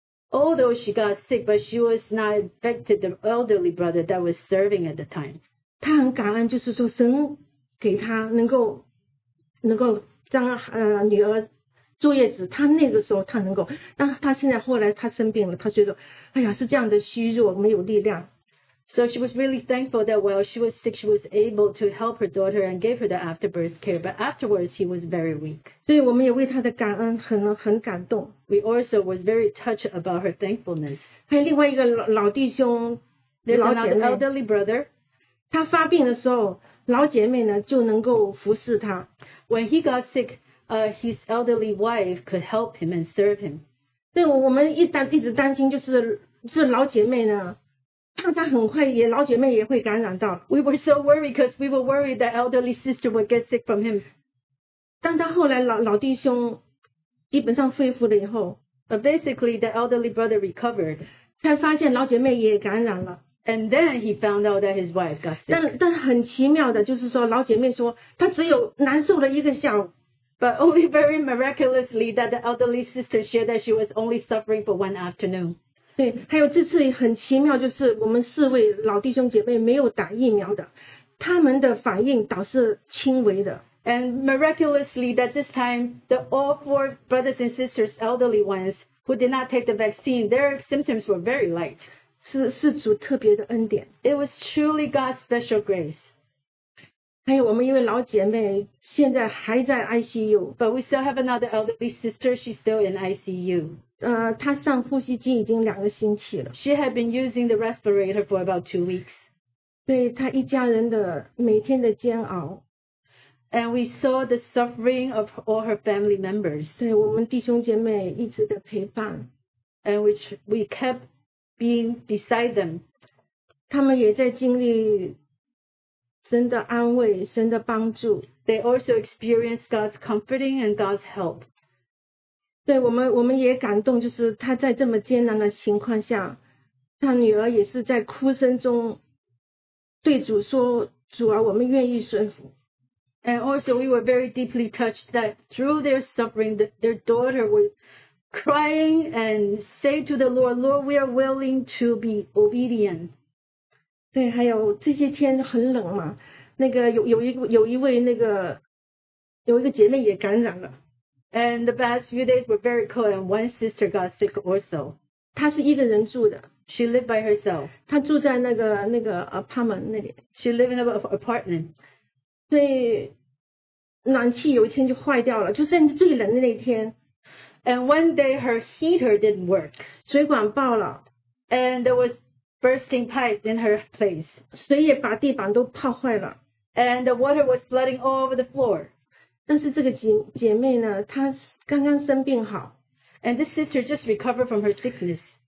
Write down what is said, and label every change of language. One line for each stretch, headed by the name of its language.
English: Although she got sick, but she was not infected the elderly brother that was serving at the time.
Chinese: 她很感恩，就是说神给她能够让女儿坐月子，她那个时候她能够，但她现在后来她生病了，她觉得哎呀是这样的虚弱，没有力量。
English: So she was really thankful that while she was sick, she was able to help her daughter and gave her the afterbirth care. But afterwards, she was very weak.
Chinese: 所以我们也为她的感恩很感动。
English: We also was very touched about her thankfulness.
Chinese: 还有另外一个老弟兄，老姐妹
English: elderly brother.
Chinese: 他发病的时候，老姐妹呢就能够服侍他。
English: When he got sick, his elderly wife could help him and serve him.
Chinese: 对，我们一直担心就是这老姐妹呢。她很快也老姐妹也会感染到。
English: We were so worried because we were worried that elderly sister would get sick from him.
Chinese: 但她后来老弟兄基本上恢复了以后
English: But basically the elderly brother recovered.
Chinese: 才发现老姐妹也感染了。
English: And then he found out that his wife got sick.
Chinese: 但很奇妙的就是说老姐妹说她只有难受了一个下午。
English: But only very miraculously that the elderly sister shared that she was only suffering for one afternoon.
Chinese: 对，还有这次很奇妙，就是我们四位老弟兄姐妹没有打疫苗的，他们的反应倒是轻微的。
English: And miraculously that this time the all four brothers and sisters, elderly ones who did not take the vaccine, their symptoms were very light.
Chinese: 是主特别的恩典。
English: It was truly God's special grace.
Chinese: 还有我们一位老姐妹现在还在 ICU.
English: But we still have another elderly sister, she's still in ICU.
Chinese: 她上呼吸机已经两个星期了。
English: She had been using the respirator for about 2 weeks.
Chinese: 对她一家人的每天的煎熬。
English: And we saw the suffering of all her family members.
Chinese: 对我们弟兄姐妹一直的陪伴。
English: And we kept being beside them.
Chinese: 他们也在经历神的安慰，神的帮助。
English: They also experienced God's comforting and God's help.
Chinese: 对我们也感动，就是他在这么艰难的情况下，他女儿也是在哭声中对主说：“主啊，我们愿意顺服。”
English: And also, we were very deeply touched that through their suffering, their daughter was crying and say to the Lord, "Lord, we are willing to be obedient."
Chinese: 对，还有这些天很冷嘛，那个有一个姐妹也感染了。
English: And the past few days were very cold, and one sister got sick also.
Chinese: 她是一个人住的。
English: She lived by herself.
Chinese: 她住在那个 apartment 那里。
English: She lived in an apartment.
Chinese: 所以暖气有一天就坏掉了，就是最冷的那天。
English: And one day her heater didn't work.
Chinese: 水管爆了。
English: And there was bursting pipe in her place.
Chinese: 水也把地板都泡坏了。
English: And the water was flooding all over the floor.
Chinese: 但是这个姐妹呢，她刚刚生病好
English: ，and this sister just recovered from her sickness.